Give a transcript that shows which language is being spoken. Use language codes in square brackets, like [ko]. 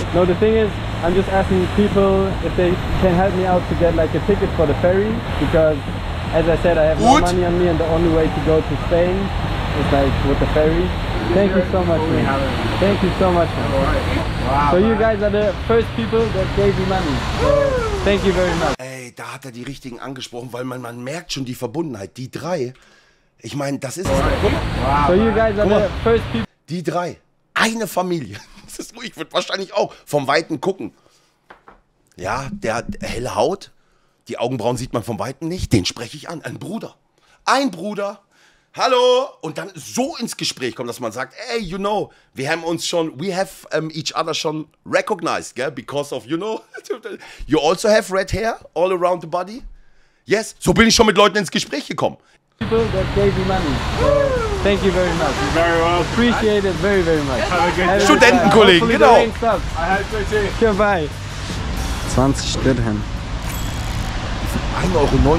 [en] No, the thing is, I'm just asking people if they can help me out to get like a ticket for the ferry, because as I said, I have no money on me and the only way to go to Spain is like with the ferry. Thank you so much, man. Thank you so much. So you guys are the first people that gave me money. Thank you very much. [de] Ey, da hat er die richtigen angesprochen, weil man merkt schon die Verbundenheit. Die drei. Ich meine, das ist es. [en] So, you guys are the first people. [de] Die drei. Eine Familie. Ich würde wahrscheinlich auch vom Weiten gucken. Ja, der hat helle Haut. Die Augenbrauen sieht man vom Weiten nicht. Den spreche ich an. Ein Bruder. Ein Bruder. Hallo. Und dann so ins Gespräch kommt, dass man sagt, ey, [en] you know, we have each other recognized, [de] gell? [en] Because of, you know, you also have red hair all around the body. Yes. [de] So bin ich schon mit Leuten ins Gespräch gekommen. [en] People that gave you money. So, thank you very much. You're very well. Appreciate it very, very much. Have a good day. [de] Studentenkollegen, genau. [en] I have to say. Goodbye. 20 Dirham. [de] 1,90 Euro.